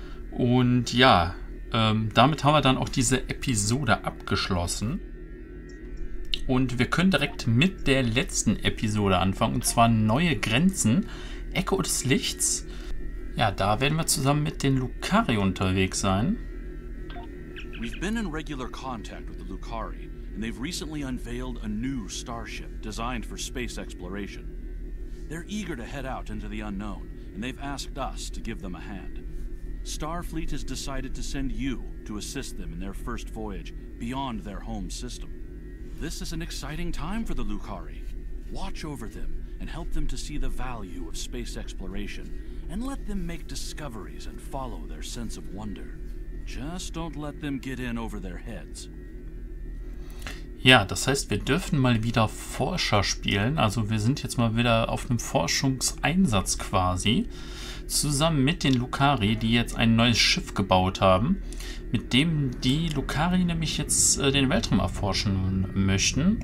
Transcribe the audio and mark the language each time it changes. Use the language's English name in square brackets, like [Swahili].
[German] Und ja, damit haben wir dann auch diese Episode abgeschlossen. Und wir können direkt mit der letzten Episode anfangen, und zwar Neue Grenzen, Echo des Lichts. Ja, da werden wir zusammen mit den Lucari unterwegs sein. [English] We've been in regular contact with the Lucari, and they've recently unveiled a new starship designed for space exploration. They're eager to head out into the unknown, and they've asked us to give them a hand. Starfleet has decided to send you to assist them in their first voyage beyond their home system. This is an exciting time for the Lucari. Watch over them and help them to see the value of space exploration, and let them make discoveries and follow their sense of wonder. Just don't let them get in over their heads. [German] Ja, das heißt, wir dürfen mal wieder Forscher spielen. Also wir sind jetzt mal wieder auf einem Forschungseinsatz quasi. Zusammen mit den Lucari, die jetzt ein neues Schiff gebaut haben. Mit dem die Lucari nämlich jetzt den Weltraum erforschen möchten.